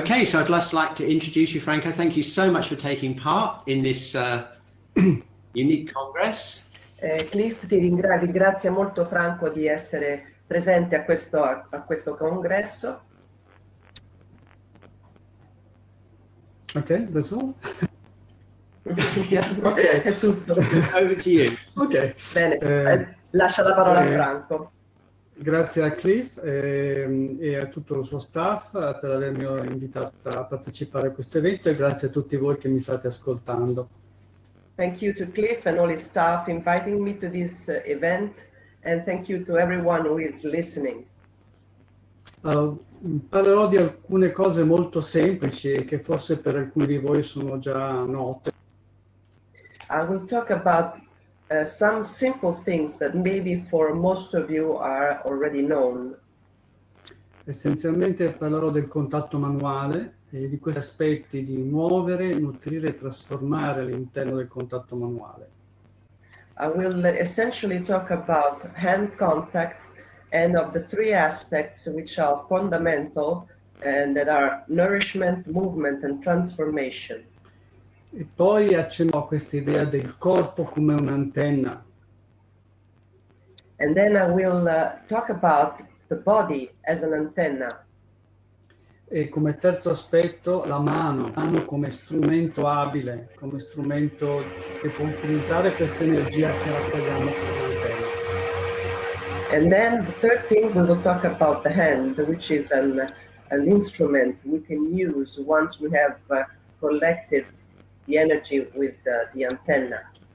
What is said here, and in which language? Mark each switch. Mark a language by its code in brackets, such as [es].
[en] Okay, so I'd just like to introduce you, Franco. Thank you so much for taking part in this unique congress. [it] Cliff, ti ringrazio molto Franco di essere presente a questo congresso. [en] Okay, that's all. Yeah, è Okay. [it] tutto. [en] Over to you. [it] Bene, lascia la parola a Franco. Grazie a Cliff e a tutto il suo staff per avermi invitato a partecipare a questo evento e grazie a tutti voi che mi state ascoltando. [en] Thank you to Cliff and all his staff inviting me to this event, and thank you to everyone who is listening. [it] Parlerò di alcune cose molto semplici che forse per alcuni di voi sono già note. [en] I will talk about some simple things that maybe for most of you are already known. [it] Essenzialmente parlerò del contatto manuale e di questi aspetti di muovere, nutrire e trasformare all'interno del contatto manuale. [en] I will essentially talk about hand contact and of the three aspects which are fundamental and that are nourishment, movement and transformation. [it] E poi accennò a questa idea del corpo come un'antenna. [en] And then I will talk about the body as an antenna. [it] E come terzo aspetto, la mano come strumento abile, come strumento che può utilizzare questa energia che raccogliamo con l'antenna. [en] And then the third thing, we will talk about the hand, which is an instrument we can use once we have collected the energy with the antenna.